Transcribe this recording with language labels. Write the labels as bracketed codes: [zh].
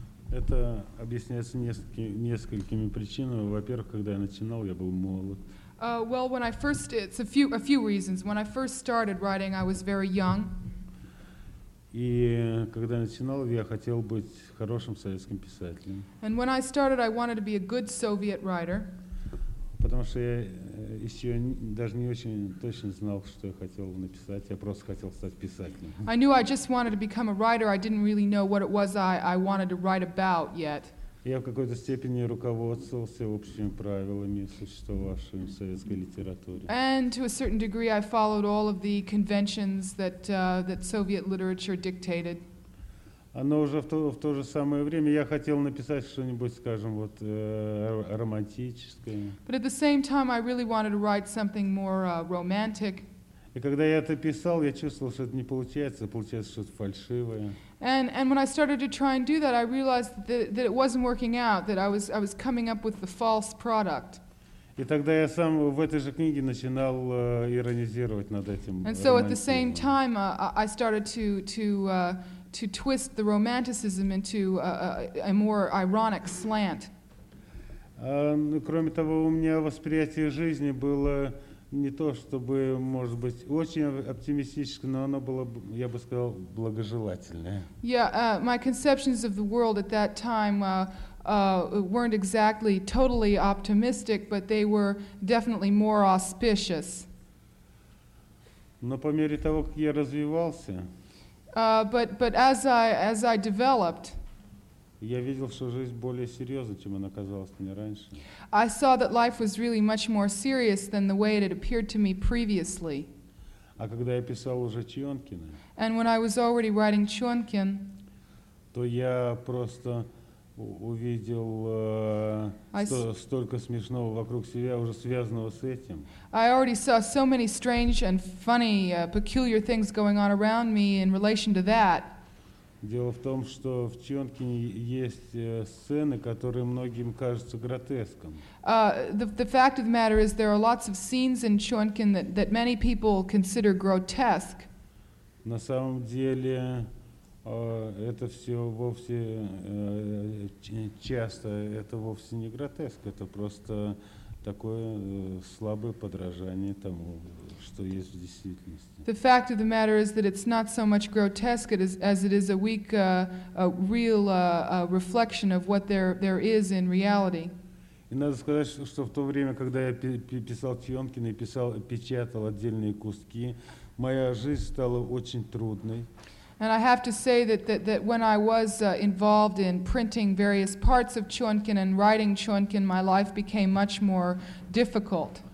[ru] Это объясняется несколькими причинами. Во-первых, когда я начинал, я был молод. [en] Well, when I first, it's a few reasons. When I first started writing, I was very young. [ru] И когда начинал, я хотел быть хорошим советским писателем. [en] And when I started, I wanted to be a good Soviet writer. [ru] Потому что я еще даже не очень точно знал, что я хотел написать. Я просто хотел стать писателем. [en] I knew I just wanted to become a writer. I didn't really know what it was I wanted to write about yet. [ru] Я в какой-то степени руководствовался общими правилами, существовавшими в советской литературе. [en] And to a certain degree, I followed all of the conventions that that Soviet literature dictated. [ru] Но уже в то же самое время я хотел написать что-нибудь, скажем, вот романтическое. [en] But at the same time, I really wanted to write something more romantic. [ru] И когда я это писал, я чувствовал, что это не получается, получается что-то фальшивое. [en] And when I started to try and do that, I realized that it wasn't working out, that I was coming up with the false product. [ru] И тогда я сам в этой же книге начинал иронизировать над этим. [en] And so at the same time, I started to twist the romanticism into a more ironic slant. [ru] Кроме того, у меня восприятие жизни было не то, чтобы, может быть, очень оптимистическое, но оно было, я бы сказал, благожелательное. [en] Yeah, my conceptions of the world at that time weren't exactly totally optimistic, but they were definitely more auspicious. [ru] Но по мере того, как я развивался, [en] But as I developed, [ru] я видел, что жизнь более серьезна, чем она казалась мне раньше. [en] I saw that life was really much more serious than the way it had appeared to me previously. [ru] А когда я писал уже Чонкина, [en] and when I was already writing Chonkin, [ru] то я просто увидел столько смешного вокруг себя, уже связанного с этим. [en] I already saw so many strange and funny, peculiar things going on around me in relation to that. [ru] Дело в том, что в Чонкине есть сцены, которые многим кажутся гротеском. [en] The fact of the matter is there are lots of scenes in Chonkin that many people consider grotesque. [ru] На самом деле, это все вовсе часто, это вовсе не гротеск, это просто такое слабое подражание тому, что есть в действительности. [en] The fact of the matter is that it's not so much grotesque as it is a weak, real reflection of what there is in reality. [ru] И надо сказать, что в то время, когда я писал Чонкин и печатал отдельные куски, моя жизнь стала очень трудной. [en] And I have to say that when I was involved in printing various parts of Chonkin and writing Chonkin, my life became much more difficult.